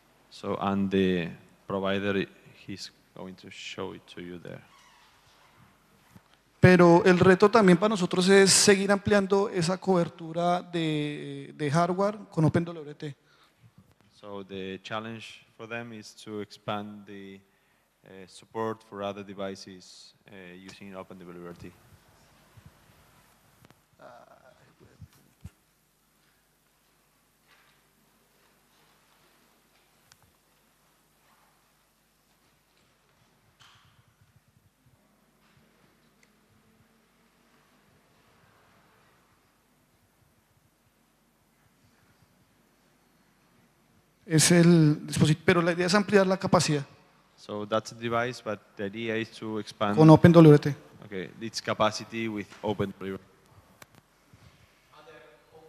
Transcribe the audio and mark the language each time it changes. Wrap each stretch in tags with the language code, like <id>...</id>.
<en>So and the provider, he's going to show it to you there.</en> <es>Pero el reto también para nosotros es seguir ampliando esa cobertura de hardware con OpenWRT.</es> <en>So the challenge for them is to expand the support for other devices using OpenWRT.</en> <es>Es el dispositivo, pero la idea es ampliar la capacidad.</es> <en>So that's the device, but the idea is to expand.</en> <es>Con OpenWRT.</es> <en>Okay, its capacity with OpenWRT. Are there open source drivers for the cable part?</en>